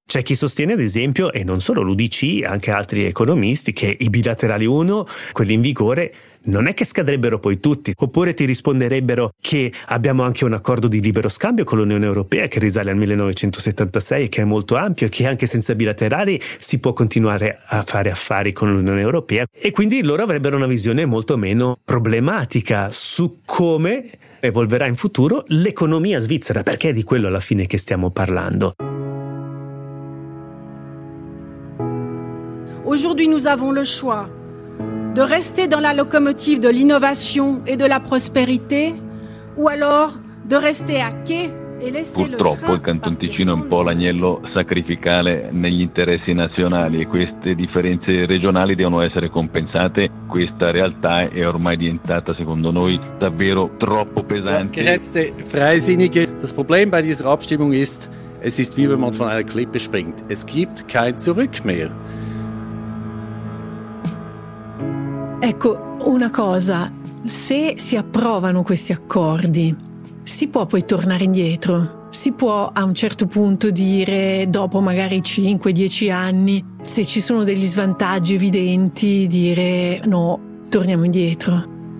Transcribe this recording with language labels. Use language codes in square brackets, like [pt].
[it] C'è chi sostiene, ad esempio, e non solo l'UDC, anche altri economisti, che i bilaterali 1, quelli in vigore, non è che scadrebbero poi tutti, oppure ti risponderebbero che abbiamo anche un accordo di libero scambio con l'Unione Europea che risale al 1976 e che è molto ampio e che anche senza bilaterali si può continuare a fare affari con l'Unione Europea, e quindi loro avrebbero una visione molto meno problematica su come evolverà in futuro l'economia svizzera, perché è di quello alla fine che stiamo parlando. [fr] Aujourd'hui nous avons le choix de rester dans la locomotive de l'innovation et de la prospérité ou alors de rester à quai et laisser. [it] Purtroppo il Canton Ticino è un po' l'agnello sacrificale negli interessi nazionali e queste differenze regionali devono essere compensate. Questa realtà è ormai diventata, secondo noi, davvero troppo pesante. [de] Geschätzte Freisinnige, das Problem bei dieser Abstimmung ist, es ist wie wenn man von einer Klippe springt. Es gibt kein zurück mehr. [it] Ecco, una cosa, se si approvano questi accordi, si può poi tornare indietro? Si può a un certo punto dire, dopo magari 5-10 anni, se ci sono degli svantaggi evidenti, dire no, torniamo indietro?